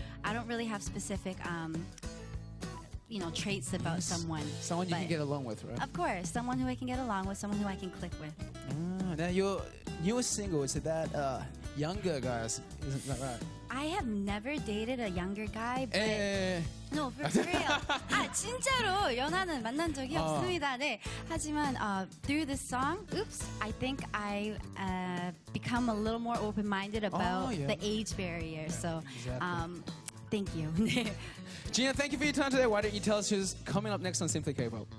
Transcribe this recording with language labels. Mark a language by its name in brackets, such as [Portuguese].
[English] I don't really have specific, traits about someone. Someone you can get along with, right? Of course. Someone who I can get along with, someone who I can click with. Now, your newest single, is that younger guys? Isn't that right? I have never dated a younger guy, but... No, for real. [Korean] 아, 진짜로 연하는 만난 적이 없습니다. 네. [English] 하지만 through this song, oops, I think I become a little more open-minded about the age barrier. Yeah, so, exactly. Thank you. G.NA, thank you for your time today. Why don't you tell us who's coming up next on Simply K-Pop?